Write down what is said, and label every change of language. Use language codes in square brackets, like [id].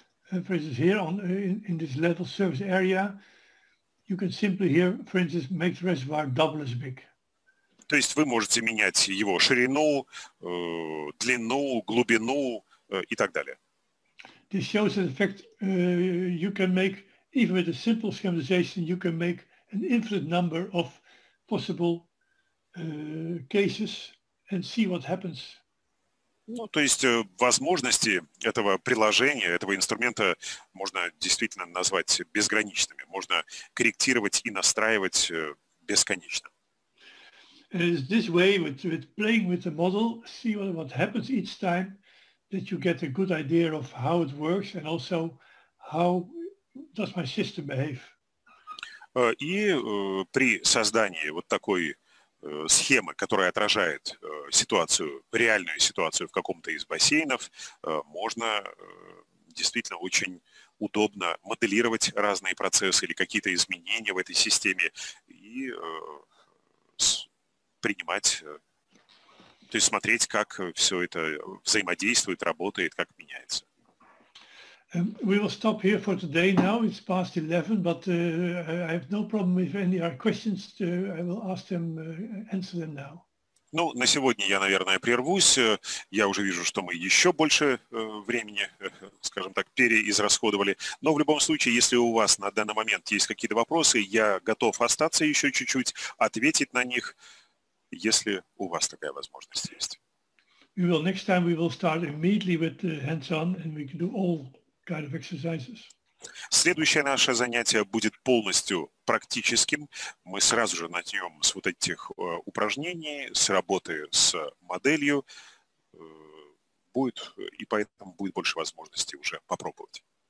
[en] For instance, here in this level surface area, you can simply here, for instance, make the reservoir double as big. [ru] То есть вы можете менять его ширину, длину, глубину и так далее. [en] This shows that in fact you can make, even with a simple schematization, you can make an infinite number of possible cases and see what happens. [ru] Ну, то есть возможности этого приложения, этого инструмента можно действительно назвать безграничными. Можно корректировать и настраивать бесконечно. [en] And it's this way with playing with the model, see what happens each time, that you get a good idea of how it works and also how does my system behave. [ru] И при создании вот такой схемы, которая отражает ситуацию, реальную ситуацию в каком-то из бассейнов, можно действительно очень удобно моделировать разные процессы или какие-то изменения в этой системе и принимать, то есть смотреть, как все это взаимодействует, работает, как меняется. [en] We will stop here for today now. It's past 11, but I have no problem if any are questions. I will ask them, answer them now. [ru] Ну, на сегодня я, наверное, прервусь. Я уже вижу, что мы еще больше времени, скажем так, переизрасходовали. Но в любом случае, если у вас на данный момент есть какие-то вопросы, я готов остаться еще чуть-чуть, ответить на них, если у вас такая возможность есть. [en] Next time we will start immediately with hands-on and we can do all kind of exercises. [ru] Следующее наше занятие будет полностью практическим. Мы сразу же начнем с вот этих упражнений, с работы с моделью. Будет, и поэтому будет больше возможностей уже попробовать.